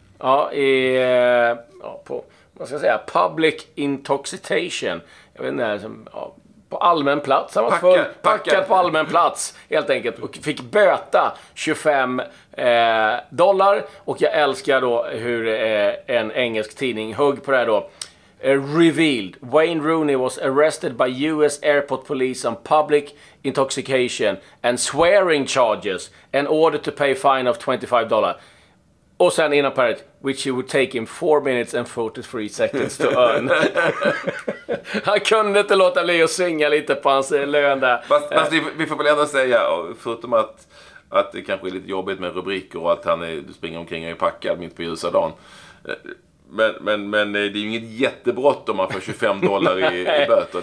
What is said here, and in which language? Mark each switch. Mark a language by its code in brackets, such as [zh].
[sv] Ja, i på vad ska jag säga, public intoxication. Jag vet inte, som på allmän plats. Han var packad på allmän plats helt enkelt och fick böta 25 dollar. Och jag älskar då hur en engelsk tidning hugg på det här då. [en] Revealed: Wayne Rooney was arrested by US airport police on public intoxication and swearing charges and ordered to pay fine of $25. [sv] Och sen [en] in a parrot, which it would take him 4 minutes and 43 seconds to earn. [sv] Han kunde inte låta bli att svinga lite på hans lön där. Fast vi får väl ändå säga, förutom att det kanske är lite jobbigt med rubriker och att han springer omkring och är packad mitt på ljusa dagen. Men det är ju inget jättebrott om man får $25 i böter.